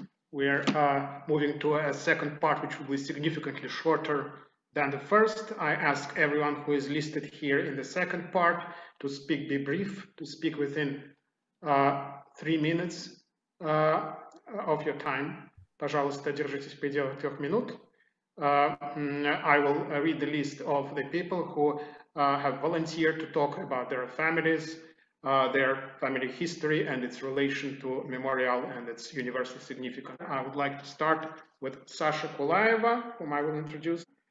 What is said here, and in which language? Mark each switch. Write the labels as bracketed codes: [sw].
[en] We are moving to a second part, which will be significantly shorter than the first. I ask everyone who is listed here in the second part to speak, be brief, to speak within 3 minutes of your time. [ru] Пожалуйста, держитесь в пределах 3 минут. [en] I will read the list of the people who have volunteered to talk about their families, their family history and its relation to Memorial and its universal significance. I would like to start with Sasha Kulaeva, whom I will introduce.